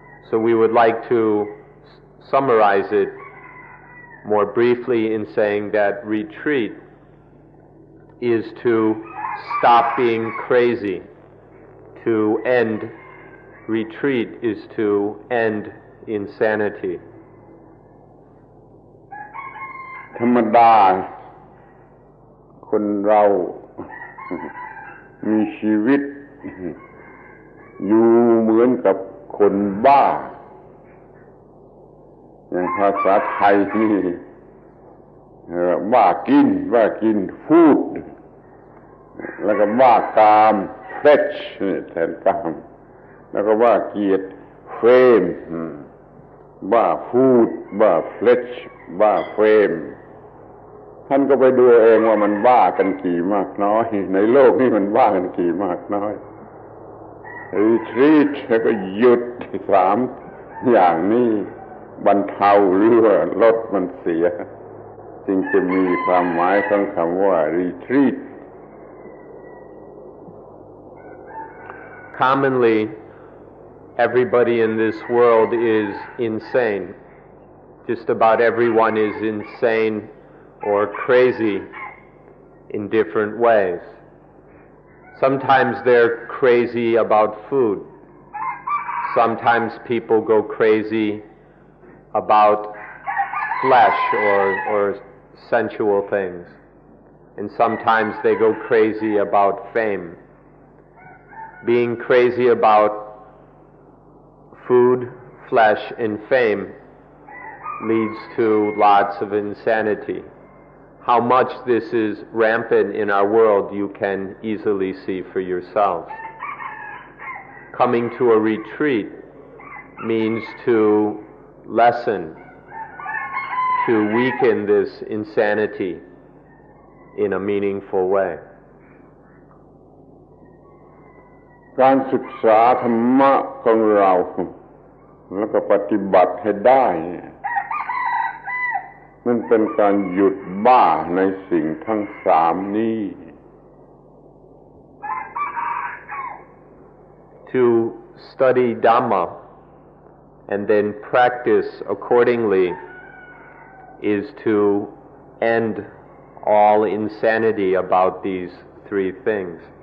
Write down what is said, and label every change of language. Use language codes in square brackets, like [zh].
[en] So we would like to... summarize it more briefly in saying that retreat is to stop being crazy, to end. Retreat is to end insanity. [th] ธรรมดาคนเรามีชีวิตอยู่เหมือนกับคนบ้าอย่างภาษาไทยนี่บ้ากินบ้ากินฟูด แล้วก็บ้ากามเฟชแทนกามแล้วก็บ้าเกียรติเฟมบ้าฟูดบ้าเฟชบ้าเฟมท่านก็ไปดูเองว่ามันบ้ากันกี่มากน้อยในโลกนี้มันบ้ากันกี่มากน้อยรีทรีตแล้วก็หยุดสามอย่างนี้บรรเทาหรือว่าลดมันเสียจึงจะมีความหมายของคำว่า retreat [en] commonly everybody in this world is insane just about everyone is insane or crazy in different ways sometimes they're crazy about food sometimes people go crazy about flesh or sensual things. And sometimes they go crazy about fame. Being crazy about food, flesh, and fame leads to lots of insanity. How much this is rampant in our world, you can easily see for yourselves. Coming to a retreat means to lessen, to weaken this insanity in a meaningful way. [th] การศึกษาธรรมะของเราแล้วก็ปฏิบัติให้ได้มันเป็นการหยุดบ้าในสิ่งทั้งสามนี้ [en] To study Dhamma and then practice accordingly is to endall insanity about these three things.